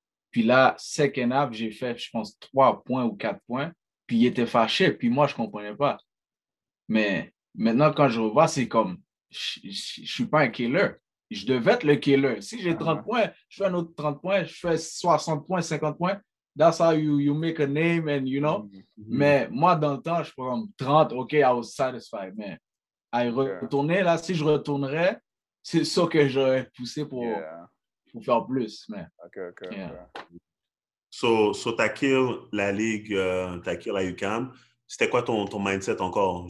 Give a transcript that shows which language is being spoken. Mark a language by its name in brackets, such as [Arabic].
[French] Puis là, second half, j'ai fait, je pense, 3 points ou 4 points. Puis il était fâché, puis moi, je ne comprenais pas. Mais maintenant, quand je revois, c'est comme, je ne suis pas un killer. Je devais être le killer. Si j'ai 30 points, je fais un autre 30 points, je fais 60 points, 50 points. [English] That's how you make a name, and you know. Mm-hmm. [French] Mais moi, dans le temps, je prends 30, [English] OK, I was satisfied. [French] Mais à y retourner, là, si je retournerais, c'est ça que j'aurais poussé pour faire plus. Mais, [English] OK. Yeah. [French] So t'as kill la ligue, t'as kill la UCAM. C'était quoi ton mindset encore?